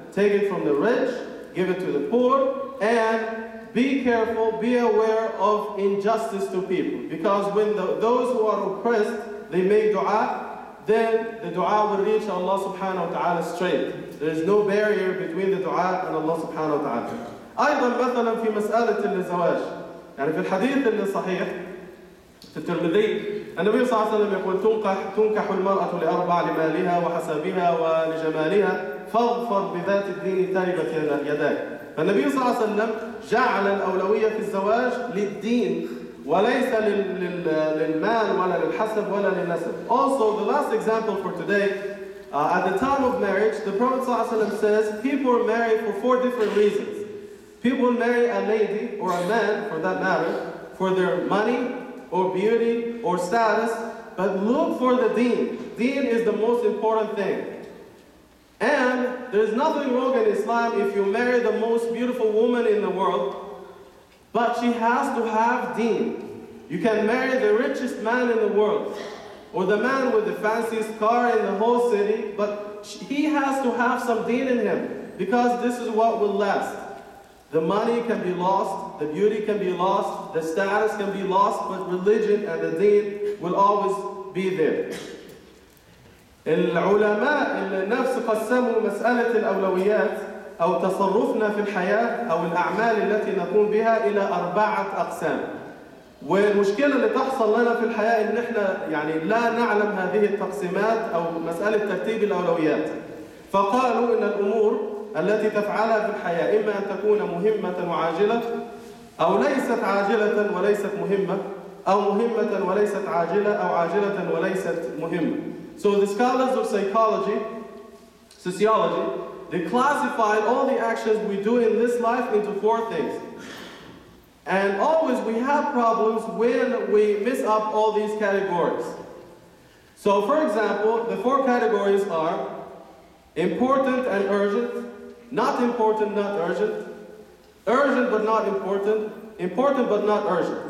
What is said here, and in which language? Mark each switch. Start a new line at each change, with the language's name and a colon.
English: Take it from the rich, give it to the poor, and be careful, be aware of injustice to people. Because when those who are oppressed, they make dua, then the dua will reach Allah subhanahu wa ta'ala straight. There is no barrier between the dua and Allah subhanahu wa ta'ala.
Arabic: أيضا مثلا في مسألة الزواج يعني في الحديث اللي صحيح في الترمذي النبي صلى الله عليه وسلم يقول تنكح المرأة لأربع لمالها وحسبها ولجمالها فاظفر بذات الدين تائبة يداك. فالنبي صلى الله عليه وسلم جعل الأولوية في الزواج للدين وليس للمال ولا للحسب ولا للنسب.
English: Also, the last example for today, at the time of marriage, the Prophet
Arabic: صلى الله عليه وسلم
English: says, people are married for four different reasons. People marry a lady or a man, for that matter, for their money or beauty or status, but look for the deen. Deen is the most important thing. And there's nothing wrong in Islam if you marry the most beautiful woman in the world, but she has to have deen. You can marry the richest man in the world, or the man with the fanciest car in the whole city, but he has to have some deen in him, because this is what will last. The money can be lost, the beauty can be lost, the status can be lost, but religion and the deen will always be there.
Arabic: العلماء النفس قسموا مسألة الأولويات أو تصرفنا في الحياة أو الأعمال التي نقوم بها إلى أربعة أقسام. والمشكلة اللي تحصل لنا في الحياة إن إحنا يعني لا نعلم هذه التقسيمات أو مسألة ترتيب الأولويات. فقالوا إن الأمور التي تفعلها في الحياة إما أن تكون مهمة وعاجلة أو ليست عاجلة وليست مهمة أو مهمة وليست عاجلة أو عاجلة وليست مهمة.
English: So the scholars of psychology, sociology, they classified all the actions we do in this life into four things. And always we have problems when we mess up all these categories. So for example, the four categories are important and urgent, not important, not urgent, urgent but not important, important but not urgent.